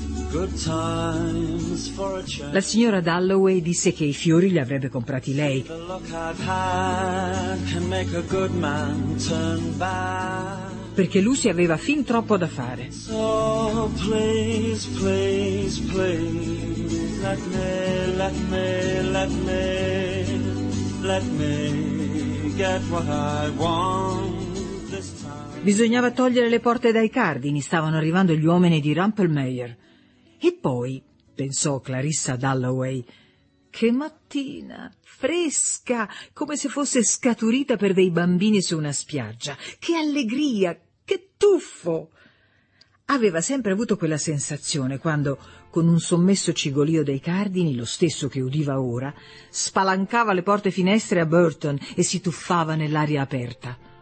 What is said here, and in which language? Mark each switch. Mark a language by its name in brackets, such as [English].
[English] Good times for a change. [Italian] La signora Dalloway disse che i fiori li avrebbe comprati lei. Perché Lucy aveva fin troppo da fare. [English] So please, please, please, let me, let me, let me, let me get what I want. This time. [Italian] Bisognava togliere le porte dai cardini, stavano arrivando gli uomini di Rumpelmayer. E poi, pensò Clarissa Dalloway, che mattina, fresca, come se fosse scaturita per dei bambini su una spiaggia. Che allegria, che tuffo! Aveva sempre avuto quella sensazione quando, con un sommesso cigolio dei cardini, lo stesso che udiva ora, spalancava le porte finestre a Burton e si tuffava nell'aria aperta.